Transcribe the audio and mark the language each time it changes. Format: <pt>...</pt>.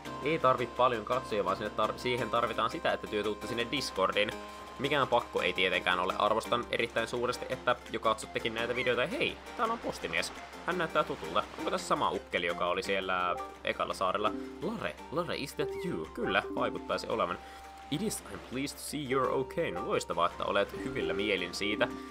<fi>Ei tarvi paljon katsoja, vaan siihen tarvitaan sitä, että työ tuutte sinne Discordiin. Mikään pakko ei tietenkään ole. Arvostan erittäin suuresti, että jo katsottekin näitä videoita. Hei, täällä on postimies. Hän näyttää tutulta. Onko tässä sama ukkeli, joka oli siellä ekalla saarella? Lare,</fi> <en>is that you?</en> <fi>Kyllä, vaikuttaisi olevan.</fi> <en>It is, I'm pleased to see you're okay.</en> <fi>No loistavaa, että olet hyvillä mielin siitä.</fi>